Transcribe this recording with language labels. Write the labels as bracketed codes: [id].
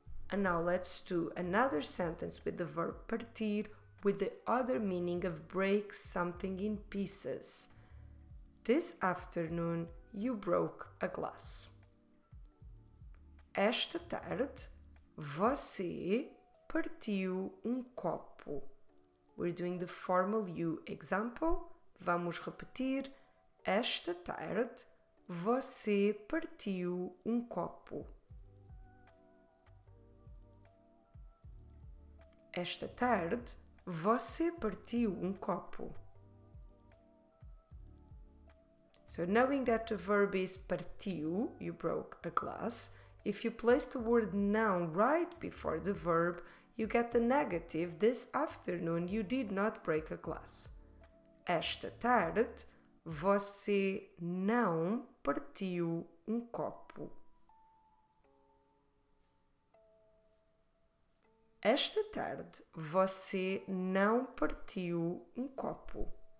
[en] And now let's do another sentence with the verb partir with the other meaning of break something in pieces. This afternoon, you broke a glass. [pt] Esta tarde, você partiu copo. [en] We're doing the formal you example. [pt] Vamos repetir. Esta tarde, você partiu copo. Esta tarde, você partiu copo. [en] So, knowing that the verb is partiu, you broke a glass, if you place the word noun right before the verb, you get the negative, this afternoon you did not break a glass. [pt] Esta tarde, você não partiu copo. Esta tarde, você não partiu copo.